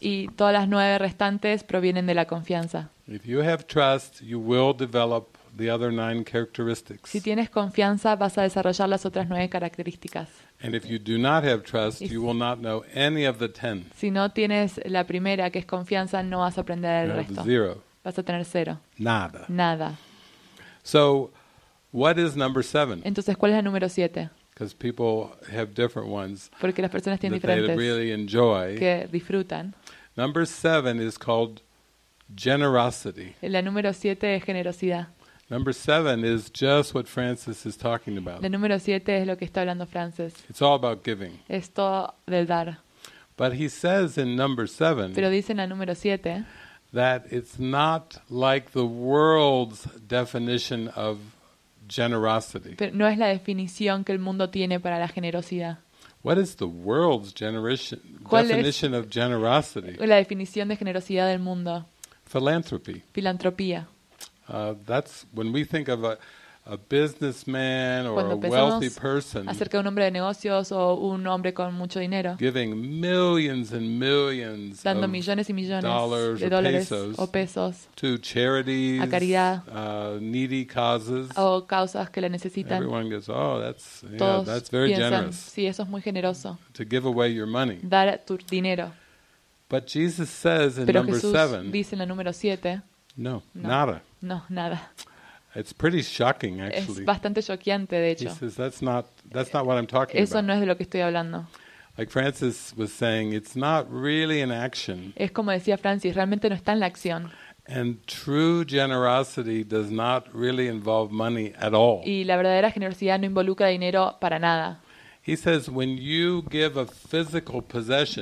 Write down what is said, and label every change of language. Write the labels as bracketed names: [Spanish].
[Spanish] Y todas las nueve restantes provienen de la confianza. [English] If you have trust, you will develop the other nine characteristics. [Spanish] Si tienes confianza, vas a desarrollar las otras nueve características. [English] And if you do not have trust, you will not know any of the ten. [Spanish] Si no tienes la primera, que es confianza, no vas a aprender el resto. [English] Zero. [Spanish] Vas a tener cero. Nada. Nada. [English] So, what is number seven? [Spanish] Entonces, ¿cuál es el número siete? [English] Because people have different ones. [Spanish] Porque las personas tienen diferentes. [English] That they really enjoy. [Spanish] Que disfrutan. [English] Number seven is called generosity. [Spanish] La número siete es generosidad. [English] Number seven is just what Francis is talking about. [Spanish] La número siete es lo que está hablando Francis. [English] It's all about giving. [Spanish] Es todo del dar. [English] But he says in number seven. [Spanish] Pero dice en la número siete. [English] That it's not like the world's definition of generosity. [Spanish] Pero no es la definición que el mundo tiene para la generosidad. [English] What is the world's definition of generosity? [Spanish] ¿Cuál es la definición de generosidad del mundo? [English] Philanthropy. [Spanish] Filantropía. [English] That's when we think of a businessman or a wealthy person. [Spanish] Acerca de un hombre de negocios o un hombre con mucho dinero. [English] Giving millions and millions. [Spanish] Dando millones y millones de dólares o pesos. [English] To charities. [Spanish] A caridad. [English] Needy causes. [Spanish] O causas que la necesitan. [English] Everyone goes, oh, that's very generous. [Spanish] Sí, eso es muy generoso. [English] To give away your money. [Spanish] Dar tu dinero. [English] But Jesus says in number seven. [Spanish] Dice en la número siete. No, nada. No, nada. [English] It's pretty shocking, actually. [Spanish] Es bastante choqueante, de hecho. [English] He says that's not what I'm talking [Spanish] eso [English] about. [Spanish] Eso no es de lo que estoy hablando. [English] Like Francis was saying, it's not really an action. [Spanish] Es como decía Francis, realmente no está en la acción. [English] And true generosity does not really involve money at all. [Spanish] Y la verdadera generosidad no involucra dinero para nada. [English] He says when you give a physical possession.